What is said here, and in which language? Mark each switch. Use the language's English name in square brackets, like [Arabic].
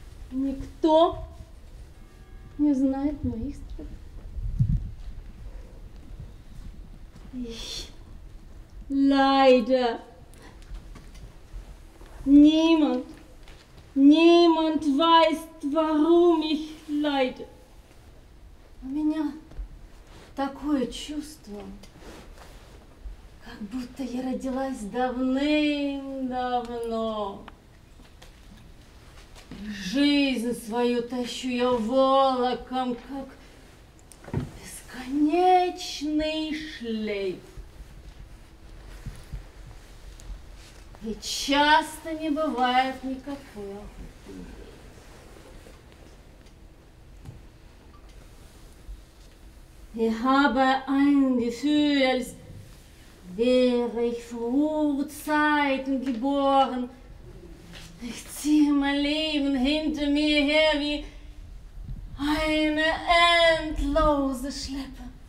[Russian] Никто не знает моих страданий. [German] Leider. Niemand weiß, warum ich leide. [Russian] У меня такое чувство. Будто я родилась давным-давно. Жизнь свою тащу я волоком, как бесконечный шлейф. И часто не бывает никакой охоты. [German] Ich habe ein Gefühl, wäre ich vor Urzeiten geboren, ich ziehe mein Leben hinter mir her wie eine endlose Schleppe.